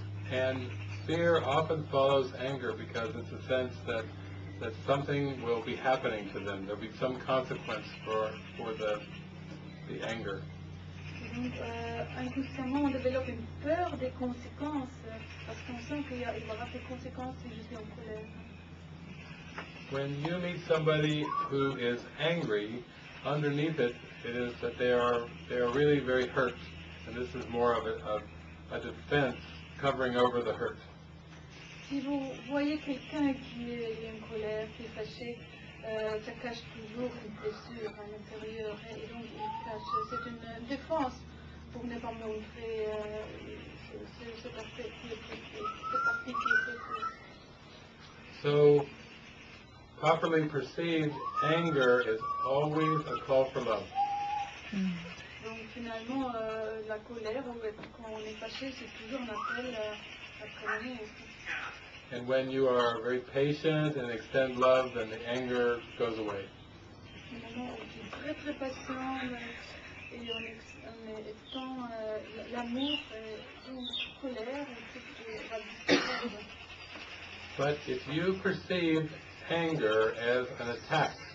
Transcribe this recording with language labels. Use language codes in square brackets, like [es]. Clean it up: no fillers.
[en] And fear often follows anger because it's a sense that something will be happening to them. There'll be some consequence for the anger. [fr] Inconsciemment, on développe une peur des conséquences parce qu'on sent qu'il y aura des conséquences si je suis en colère. [en] When you meet somebody who is angry, underneath it is that they are really very hurt, and this is more of a defense covering over the hurt. [fr] Si vous voyez quelqu'un qui est en colère, qui est fâché, ça cache toujours une blessure à l'intérieur, et donc il cache. C'est une défense pour ne pas montrer ce parti qui est [en] fait. So. Properly perceived, anger is always a call for love. [fr] Donc finalement, la colère, quand on est fâché, c'est toujours un appel à prier. [en] And when you are very patient and extend love, then the anger goes away. [fr] Finalement, on est très patient et on étend l'amour et toute colère et tout va disparaître. [en] But if you perceive anger as an attack.